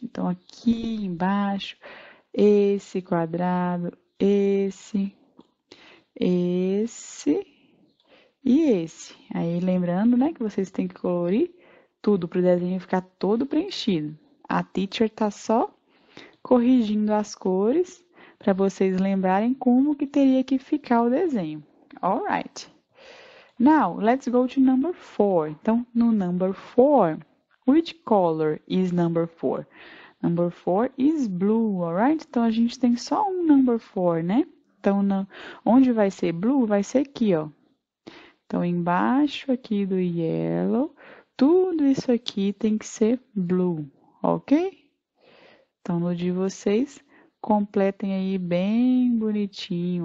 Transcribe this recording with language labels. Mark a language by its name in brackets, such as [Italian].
[Portuguese] Então, aqui embaixo, esse quadrado, esse, esse e esse. Aí, lembrando, né, que vocês têm que colorir tudo para o desenho ficar todo preenchido. A teacher está só corrigindo as cores para vocês lembrarem como que teria que ficar o desenho. [English] All right. Now, let's go to number 4. [Portuguese] Então, no number 4, [English] which color is number 4? Number 4 is blue, alright? [Portuguese] Então, a gente tem só um number 4, né? Então, onde vai ser blue? Vai ser aqui, ó. Então, embaixo aqui do yellow, tudo isso aqui tem que ser blue, ok? Então, no de vocês, completem aí bem bonitinho.